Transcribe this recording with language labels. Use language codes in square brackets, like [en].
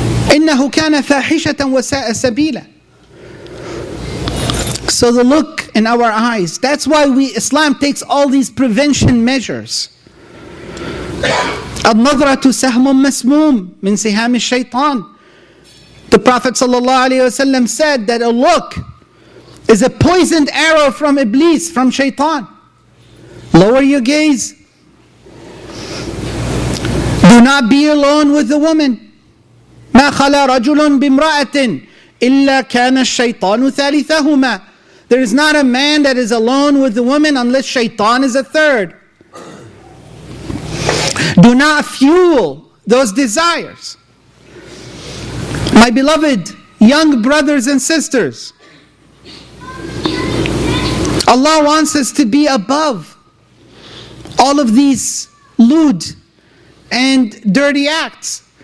[ar] إنه كان فاحشة وساء سبيلا. [en] So the look in our eyes, that's why we Islam takes all these prevention measures. [ar] النظرة سهم مسموم من سهام الشيطان. [en] The Prophet ﷺ said that a look is a poisoned arrow from Iblis, from Shaitan. Lower your gaze. Do not be alone with the woman. [ar] ما خلا رجل بامرأة إلا كان الشيطان ثالثهما. [en] There is not a man that is alone with the woman unless Shaitan is a third. Do not fuel those desires. My beloved young brothers and sisters, Allah wants us to be above all of these lewd and dirty acts.